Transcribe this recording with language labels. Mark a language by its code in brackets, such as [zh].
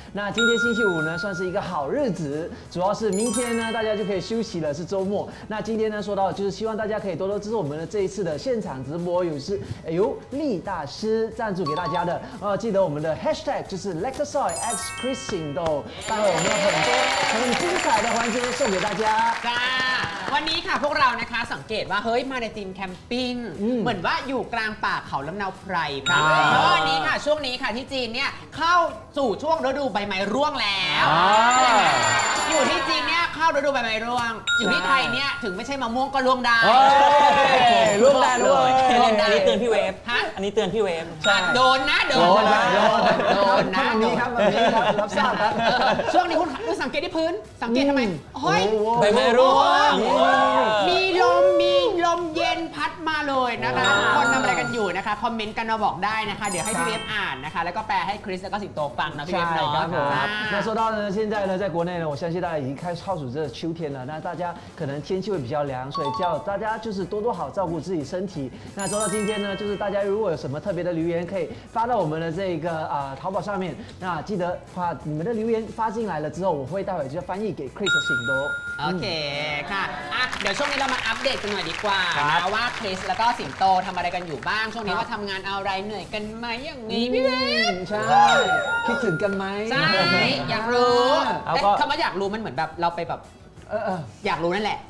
[zh] 那今天星期五呢，算是一个好日子，主要是明天呢，大家就可以休息了，是周末。那今天呢，说到就是希望大家可以多多支持我们的这一次的现场直播，有是由力大师赞助给大家的。记得我们的 hashtag 就是 Lexoy X Chris Indo， 待会我们有很多很精彩的环节送给大家。 [th] วันนี้ค่ะพวกเรานะคะสังเกตว่าเฮ้ยมาในทีมแคมปิ้งเหมือนว่าอยู่กลางป่าเขาลำเนาไพรแล้ววันนี้ค่ะช่วงนี้ค่ะที่จีนเนี่ยเข้าสู่ช่วงฤดูใบไม้ร่วงแล้ว อยู่ที่จีนเนี่ยเข้าฤดูใบไม้ร่วงอยู่ที่ไทยเนี่ยถึงไม่ใช่มะม่วงก็ร่วงได้ร่วงได้ด้วย อันนี้เตือนพี่เวฟ ฮะ อันนี้เตือนพี่เวฟ โดนนะโดนนะ โดน โดนนะ นี้ ับ วัน นี้ครับรับทราบครับ ช่วงนี้คุณสังเกตที่พื้นสังเกตทำไมเฮ้ย ใบไม้ร่วง มีลมมีลมเย็นพัดมาเลยนะคะคนทำอะไรกันอยู่นะคะคอมเมนต์กันมาบอกได้นะคะเดี๋ยวให้พี่เวฟอ่านนะคะแล้วก็แปลให้คริสแล้วก็สิงโตฟังนะพี่เวฟเนาะ ใช่ครับผมนะ [zh] 那说到呢现在呢在国内呢我相信大家已经开始倒数这秋天了那大家可能天气会比较凉所以叫大家就是多多好照顾自己身体那说到今天呢就是大家如果有什么特别的留言可以发到我们的这个淘宝上面那记得把你们的留言发进来了之后我会待会就翻译给 Chris 和醒多 [th] โอเคค่ะเดี๋ยวช่วงนี้เรามาอัปเดตกันหน่อยดีกว่านะว่าคริสแล้วก็สิงโตทำอะไรกันอยู่บ้างช่วงนี้ว่าทำงานอะไรเหนื่อยกันไหมอย่างนี้พี่เวฟ ใช่คิดถึงกันไหม ใช่อยากรู้เอ๊ะคำว่าอยากรู้มันเหมือนแบบเราไปแบบอยากรู้นั่นแหละ